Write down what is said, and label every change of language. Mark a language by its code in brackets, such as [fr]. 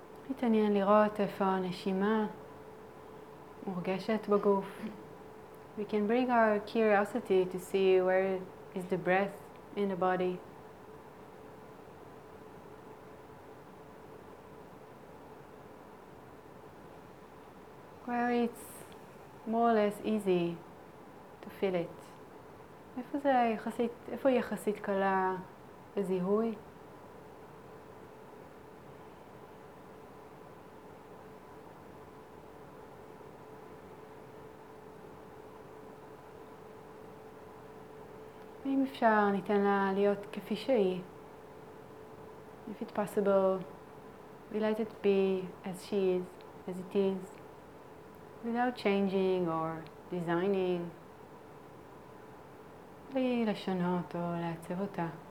[he] מתעניין לראות איפה הנשימה מורגשת בגוף. [en] We can bring our curiosity to see where is the breath in the body. Where it's more or less easy to feel it. [he] איפה זה יחסית, איפה יחסית קלה לזיהוי? אם אפשר ניתן לה להיות כפי שהיא. [en] If it's possible, we let it be as she is, as it is, without changing or designing. [he] בלי לשנות או לעצב אותה.